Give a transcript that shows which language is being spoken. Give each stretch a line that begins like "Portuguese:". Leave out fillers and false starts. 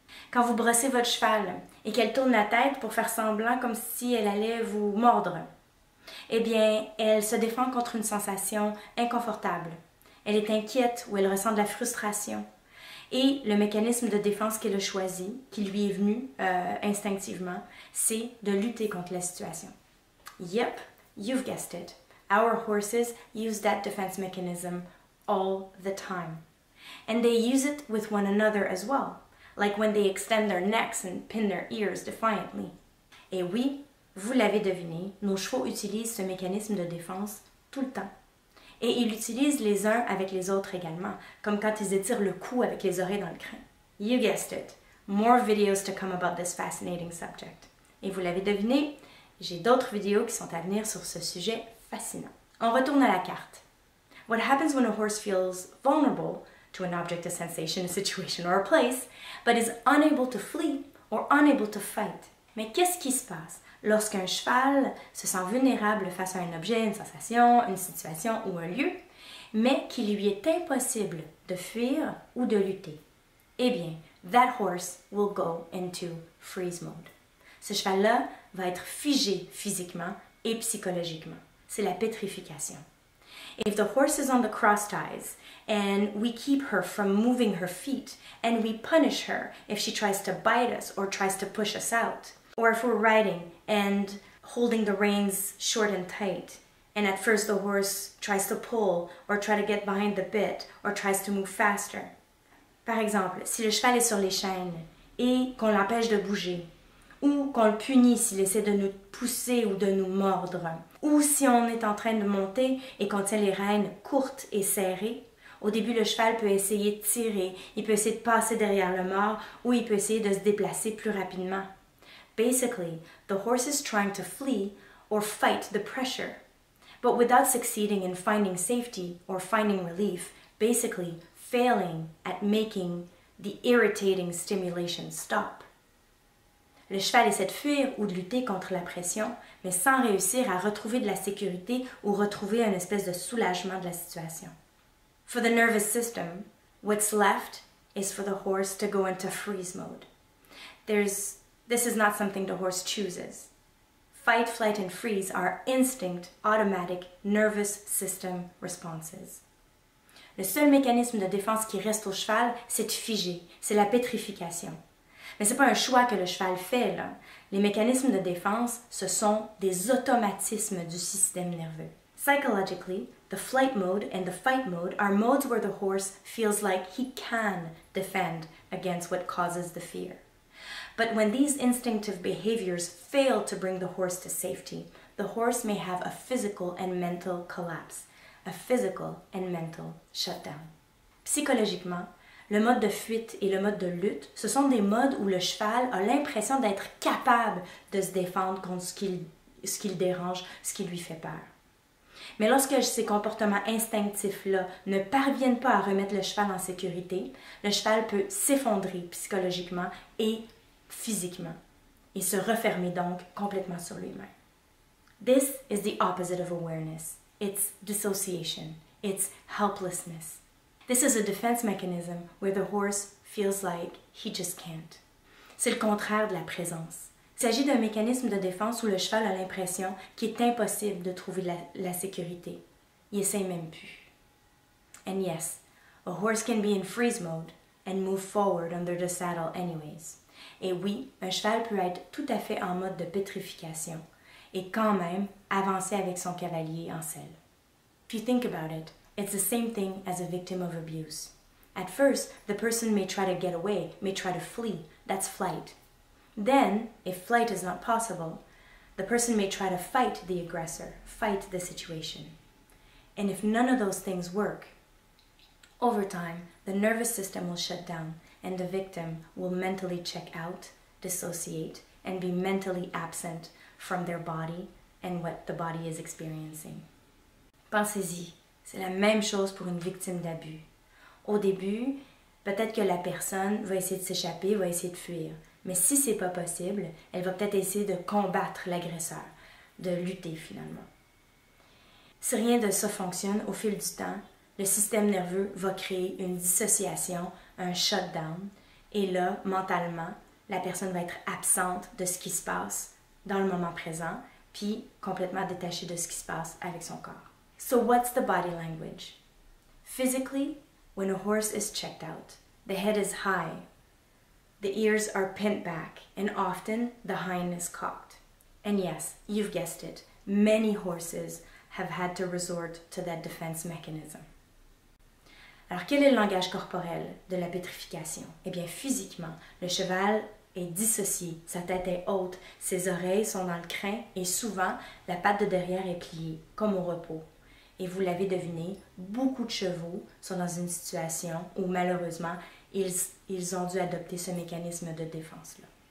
French: Quand vous brossez votre cheval et qu'elle tourne la tête pour faire semblant comme si elle allait vous mordre, eh bien, elle se défend contre une sensation inconfortable. Elle est inquiète ou elle ressent de la frustration. Et le mécanisme de défense qu'elle a choisi, qui lui est venu instinctivement, c'est de lutter contre la situation.
English: Yep, you've guessed it. Our horses use that defense mechanism all the time. And they use it with one another as well, like when they extend their necks and pin their ears defiantly.
French: Et oui, vous l'avez deviné, nos chevaux utilisent ce mécanisme de défense tout le temps. Et ils l'utilisent les uns avec les autres également, comme quand ils étirent le cou avec les oreilles dans le crin.
English: You guessed it. More videos to come about this fascinating subject.
French: Et vous l'avez deviné, j'ai d'autres vidéos qui sont à venir sur ce sujet fascinant. On retourne à la carte.
English: What happens when a horse feels vulnerable to an object, a sensation, a situation, or a place, but is unable to flee or unable to fight?
French: Mais qu'est-ce qui se passe Lorsqu'un cheval se sent vulnérable face à un objet, une sensation, une situation ou un lieu, mais qu'il lui est impossible de fuir ou de lutter, eh bien,
English: that horse will go into freeze mode.
French: Ce cheval-là va être figé physiquement et psychologiquement. C'est la pétrification.
English: If the horse is on the cross ties and we keep her from moving her feet and we punish her if she tries to bite us or tries to push us out, or if we're riding and holding the reins short and tight, and at first the horse tries to pull or try to get behind the bit or tries to move faster.
French: Par exemple, si le cheval est sur les chaînes et qu'on l'empêche de bouger, ou qu'on le punit s'il essaie de nous pousser ou de nous mordre, ou si on est en train de monter et qu'on tient les rênes courtes et serrées, au début le cheval peut essayer de tirer, il peut essayer de passer derrière le mort ou il peut essayer de se déplacer plus rapidement.
English: Basically, the horse is trying to flee or fight the pressure. But without succeeding in finding safety or finding relief, basically failing at making the irritating stimulation stop.
French: Le cheval essaie de fuir ou de lutter contre la pression, mais sans réussir à retrouver de la sécurité ou retrouver une espèce de soulagement de la situation.
English: For the nervous system, what's left is for the horse to go into freeze mode. This is not something the horse chooses. Fight, flight, and freeze are instinct, automatic, nervous system responses.
French: Le seul mécanisme de défense qui reste au cheval, c'est de figer, c'est la pétrification. Mais ce n'est pas un choix que le cheval fait, là. Les mécanismes de défense, ce sont des automatismes du système nerveux.
English: Psychologically, the flight mode and the fight mode are modes where the horse feels like he can defend against what causes the fear. But when these instinctive behaviors fail to bring the horse to safety, the horse may have a physical and mental collapse, a physical and mental shutdown.
French: Psychologiquement, le mode de fuite et le mode de lutte, ce sont des modes où le cheval a l'impression d'être capable de se défendre contre ce qu'il dérange, ce qui lui fait peur. Mais lorsque ces comportements instinctifs-là ne parviennent pas à remettre le cheval en sécurité, le cheval peut s'effondrer psychologiquement et physiquement, et se refermer donc complètement sur lui-même.
English: This is the opposite of awareness. It's dissociation. It's helplessness. This is a defense mechanism where the horse feels like he just can't.
French: C'est le contraire de la présence. Il s'agit d'un mécanisme de défense où le cheval a l'impression qu'il est impossible de trouver la sécurité. Il essaie même plus.
English: And yes, a horse can be in freeze mode and move forward under the saddle anyways.
French: Et oui, un cheval peut être tout à fait en mode de pétrification et quand même avancer avec son cavalier en selle.
English: If you think about it, it's the same thing as a victim of abuse. At first, the person may try to get away, may try to flee. That's flight. Then, if flight is not possible, the person may try to fight the aggressor, fight the situation. And if none of those things work, over time, the nervous system will shut down and the victim will mentally check out, dissociate, and be mentally absent from their body and what the body is experiencing.
French: Pensez-y, c'est la même chose pour une victime d'abus. Au début, peut-être que la personne va essayer de s'échapper, va essayer de fuir. Mais si ce n'est pas possible, elle va peut-être essayer de combattre l'agresseur, de lutter finalement. Si rien de ça fonctionne, au fil du temps, le système nerveux va créer une dissociation, un shutdown, et là, mentalement, la personne va être absente de ce qui se passe dans le moment présent, puis complètement détachée de ce qui se passe avec son corps.
English: So what's the body language? Physically, when a horse is checked out, the head is high, the ears are pinned back, and often the hind is cocked. And yes, you've guessed it, many horses have had to resort to that defense mechanism.
French: Alors, quel est le langage corporel de la pétrification? Eh bien, physiquement, le cheval est dissocié, sa tête est haute, ses oreilles sont dans le crin et souvent, la patte de derrière est pliée, comme au repos. Et vous l'avez deviné, beaucoup de chevaux sont dans une situation où malheureusement, ils ont dû adopter ce mécanisme de défense-là.